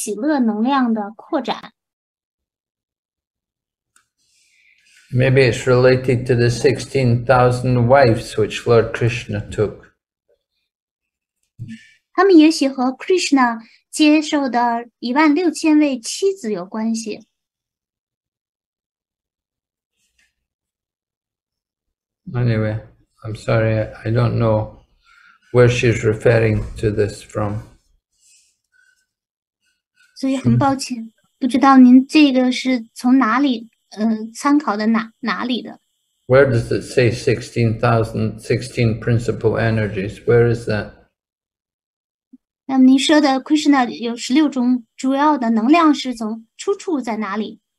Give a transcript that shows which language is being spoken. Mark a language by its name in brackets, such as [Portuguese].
[Chinese] 不知道您这个是从哪里干到的？这些牧牛姑娘，她们都是永恒的仆人，在服务着Krishna，她们在享受着Madhura Ras，她们是Radharani，是主的内在喜乐能量的扩展。 [English] Maybe it's related to the 16,000 wives which Lord Krishna took. [Chinese] 他们也许和Krishna接受的16,000位妻子有关系。 [English] Anyway, I'm sorry, I don't know where she's referring to this from. [Chinese] 所以很抱歉，不知道您这个是从哪里。参考的哪里的? [English] Where does it say 16,000 principal energies? Where is that? [Chinese] 您说的Krishna有16种主要的能量是从出处在哪里?